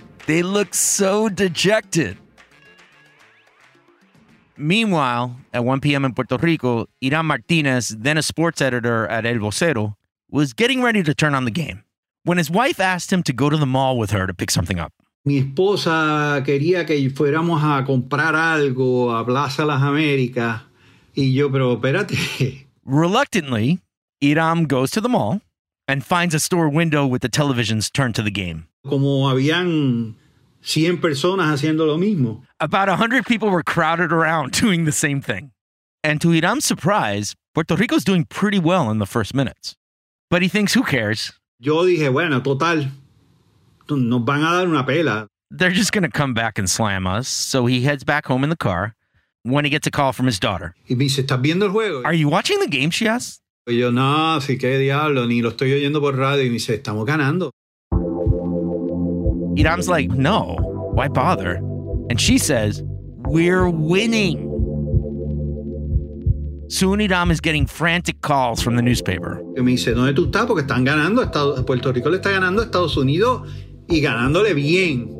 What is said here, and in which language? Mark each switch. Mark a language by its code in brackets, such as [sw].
[en] They looked so dejected. Meanwhile, at 1 p.m. in Puerto Rico, Irán Martínez, then a sports editor at El Vocero, was getting ready to turn on the game when his wife asked him to go to the mall with her to pick something up. [es] Mi esposa quería que fuéramos a comprar algo a Plaza Las Américas. Y yo, pero espérate. [en] Reluctantly, Irán goes to the mall and finds a store window with the televisions turned to the game. [es] Como habían 100 personas haciendo lo mismo. [en] About 100 people were crowded around doing the same thing. And to Hiram's surprise, Puerto Rico's doing pretty well in the first minutes. But he thinks, who cares? [es] Yo dije, bueno, total, nos van a dar una pela. [en] They're just going to come back and slam us. So he heads back home in the car when he gets a call from his daughter. [es] Y me dice, ¿estás viendo el juego? [en] Are you watching the game, she asks. [es] Yo, no, si qué diablo, ni lo estoy oyendo por radio. Y me dice, estamos ganando. [en] Hiram's like, no, why bother? And she says, we're winning. Soon Hiram is getting frantic calls from the newspaper. [es] Y me dice, ¿dónde tú estás? Porque están ganando. Puerto Rico le está ganando a Estados Unidos y ganándole bien.